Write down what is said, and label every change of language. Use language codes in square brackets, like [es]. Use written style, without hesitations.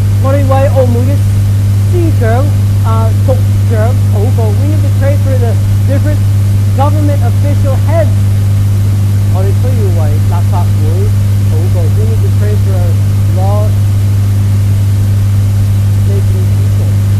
[en] We need to pray for the different government official heads. [zh] 我们需要为立法会祷告。 [en] We need to pray for our laws making people.